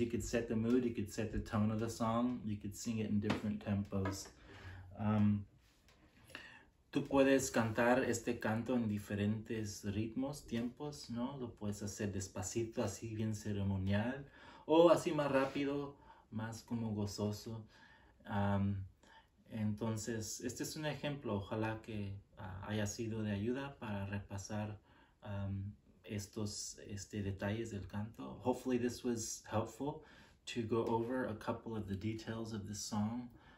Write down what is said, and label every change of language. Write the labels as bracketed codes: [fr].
[en] You could set the mood, you could set the tone of the song, you could sing it in different tempos. [es] Tú puedes cantar este canto en diferentes ritmos, tiempos, ¿no? Lo puedes hacer despacito, así bien ceremonial. O así más rápido, más como gozoso. Entonces, este es un ejemplo. Ojalá que haya sido de ayuda para repasar estos detalles del canto. [en] Hopefully this was helpful to go over a couple of the details of the song.